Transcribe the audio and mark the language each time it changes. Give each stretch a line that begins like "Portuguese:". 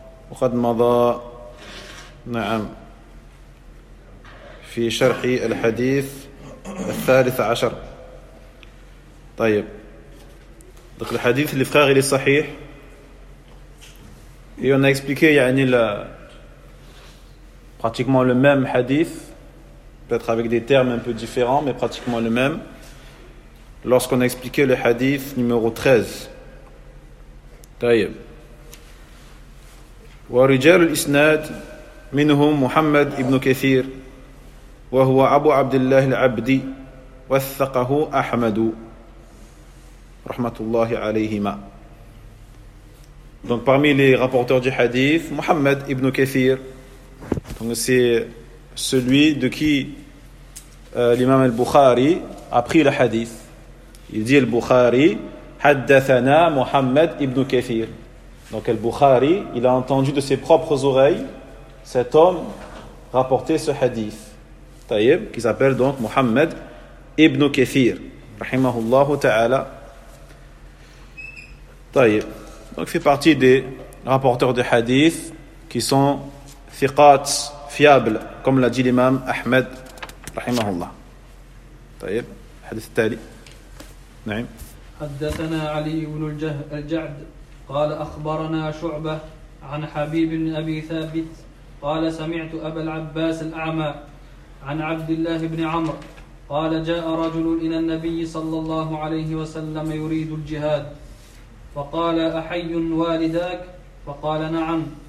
Arabic: وقد مضى نعم في شرح الحديث 13. طيب دخل الحديث اللي في غير الصحيح يونا اكسبليكي يعني لا
French: pratiquement le même hadith peut-être avec des termes un peu différents mais pratiquement le même lorsqu'on a expliqué le hadith numéro 13.
Arabic: طيب ورجال الإسناد منهم محمد ابن كثير وهو أبو عبد الله العبدي وثقه أحمد رحمة الله عليهما.
French: Donc parmi les rapporteurs du hadith, Muhammad ibn Kathir, donc c'est celui de qui l'imam al-Bukhari a pris le hadith. Il dit al-Bukhari
Arabic: حدثنا محمد ابن كثير.
French: Donc Al-Bukhari, il a entendu de ses propres oreilles cet homme rapporter ce hadith. Taïb, qui s'appelle donc Muhammad ibn Kathir.
Arabic: Rahimahullahu ta'ala.
French: Taïb. Donc il fait partie des rapporteurs de hadith qui sont thiqat, fiables, comme l'a dit l'imam Ahmed.
Arabic: Rahimahullah. Taïb. Hadith tali. Naïm. حدثنا علي بن الجعد قال أخبرنا شعبة عن حبيب بن أبي ثابت قال سمعت أبا العباس الأعمى عن عبد الله بن عمرو قال جاء رجل إلى النبي صلى الله عليه وسلم يريد الجهاد فقال أحي والداك؟ فقال نعم.